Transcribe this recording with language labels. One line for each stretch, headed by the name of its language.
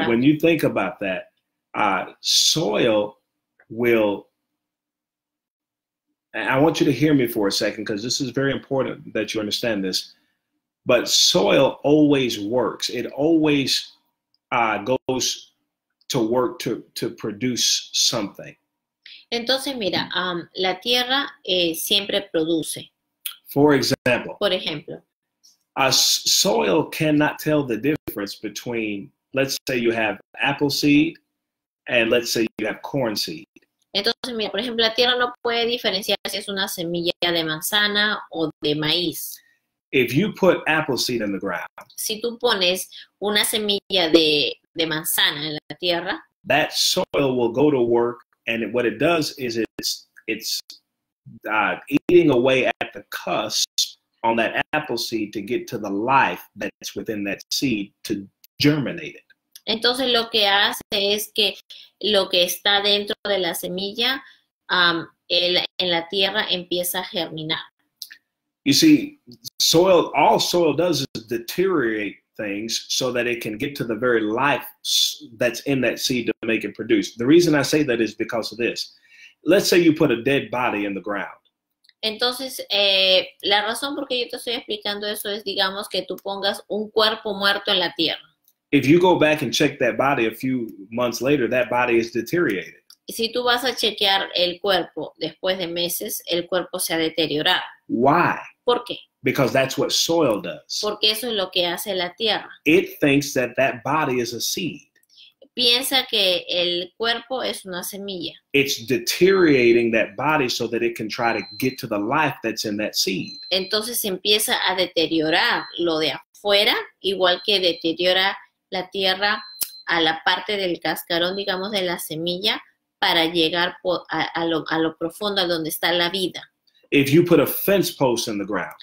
English: Yeah, when you think about that, soil will. I want you to hear me for a second because this is very important that you understand this. But soil always works. It always goes to work to produce something.
Spanish: Entonces, mira, la tierra siempre produce.
English: For example.
Spanish: Por ejemplo.
English: A soil cannot tell the difference between, let's say you have apple seed and let's say you have corn seed.
Spanish: Entonces, mira, por ejemplo, la tierra no puede diferenciar si es una semilla de manzana o de maíz.
English: If you put apple seed in the ground,
Spanish: si tú pones una semilla de manzana en la tierra,
English: that soil will go to work, and what it does is it's eating away at the cusps on that apple seed to get to the life that's within that seed to germinate it.
Spanish: Entonces lo que hace es que lo que está dentro de la semilla en la tierra empieza a germinar.
English: You see, soil, all soil does is deteriorate things so that it can get to the very life that's in that seed to make it produce. The reason I say that is because of this. Let's say you put a dead body in the ground.
Spanish: Entonces, la razón por qué yo te estoy explicando eso es, digamos, que tú pongas un cuerpo muerto en la tierra.
English: If you go back and check that body a few months later, that body is deteriorated.
Spanish: Si tú vas a chequear el cuerpo después de meses, el cuerpo se ha deteriorado.
English: Why?
Spanish: ¿Por qué?
English: Because that's what soil does.
Spanish: Porque eso es lo que hace la tierra.
English: It thinks that that body is a seed.
Spanish: Piensa que el cuerpo es una semilla.
English: It's deteriorating that body so that it can try to get to the life that's in that seed.
Spanish: Entonces empieza a deteriorar lo de afuera, igual que deteriora la tierra a la parte del cascarón, digamos, de la semilla, para llegar a lo profundo, a donde está la vida.
English: If you put a fence post in the ground,